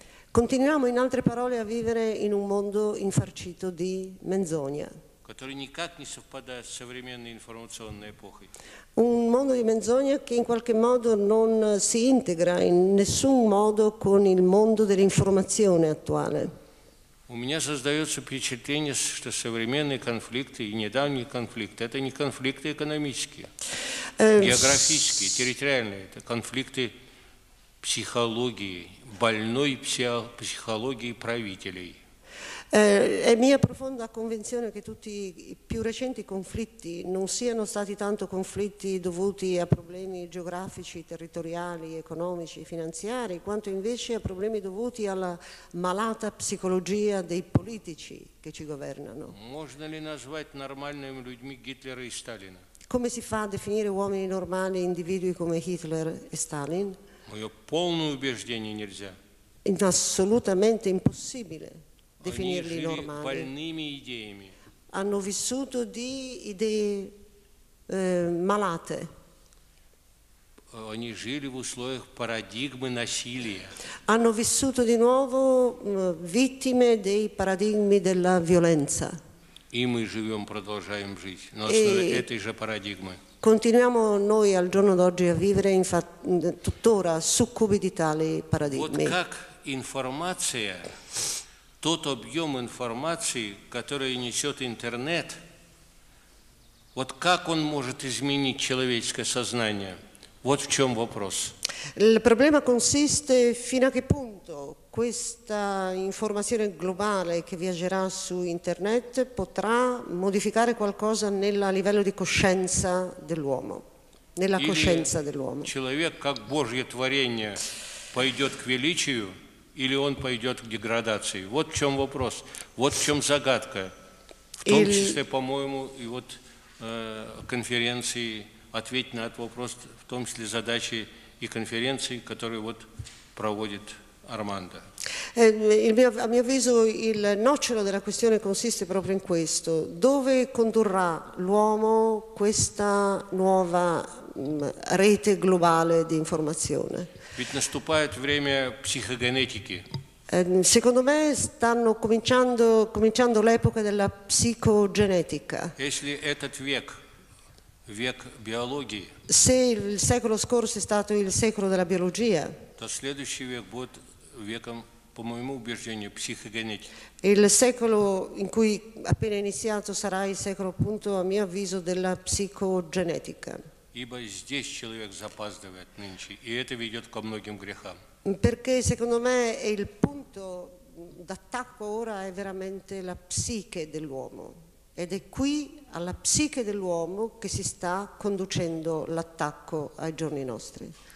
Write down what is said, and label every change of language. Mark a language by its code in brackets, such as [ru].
[it] Continuiamo in altre parole a vivere in un mondo infarcito di menzogna. Un mondo di menzogna che in qualche modo non si integra in nessun modo con il mondo dell'informazione attuale. [ru] У меня создается впечатление, что современные конфликты и недавний конфликт – это не конфликты экономические, географические, территориальные, это конфликты психологии, больной психологии правителей. [it] È mia profonda convinzione che tutti i più recenti conflitti non siano stati tanto conflitti dovuti a problemi geografici, territoriali, economici, finanziari, quanto invece a problemi dovuti alla malata psicologia dei politici che ci governano. [ru] Можно ли назвать нормальными людьми Гитлера и Сталина? [it] Come si fa a definire uomini normali, individui come Hitler e Stalin? [ru] Моё полное убеждение нельзя. [it] Assolutamente impossibile. Definirli normali. Hanno vissuto di idee malate. [ru] Они жили в условиях парадигмы насилия. [it] Hanno vissuto di nuovo vittime dei paradigmi della violenza. [ru] И мы живем, продолжаем жить на основе этой же парадигмы. [it] Continuiamo noi al giorno d'oggi a vivere tuttora succubi di tali [ru] парадигмы. Вот как информация. Тот объем информации, который несет интернет, вот как он может изменить человеческое сознание? Вот в чем вопрос. [it] Il problema consiste fino a che punto questa informazione globale che viaggerà su internet potrà modificare qualcosa nel livello di coscienza dell'uomo, nella coscienza dell'uomo. [ru] Человек как Божье творение пойдет к величию? Или он пойдет к деградации? Вот в чем вопрос, вот в чем загадка. В том числе, по-моему, и вот конференции, ответить на этот вопрос, в том числе задачи и конференции, которые вот проводит Армандо. [it] A mio avviso il nocciolo della questione consiste proprio in questo. Dove condurrà l'uomo questa nuova rete globale di informazione? [ru] Ведь наступает время психогенетики. [it] Secondo me stanno cominciando l'epoca della psicogenetica. [ru] Если этот век, век биологии, [it] se il secolo scorso è stato il secolo della biologia, [ru] то следующий век будет веком, по моему убеждению, психогенетики. [it] Il secolo in cui appena iniziato sarà il secolo, appunto, a mio avviso, della psicogenetica. [ru] Ибо здесь человек запаздывает нынче, и это ведет ко многим грехам. [it] Perché secondo me il punto d'attacco ora è veramente la psiche dell'uomo. Ed è qui alla psiche dell'uomo che si sta conducendo l'attacco ai giorni nostri.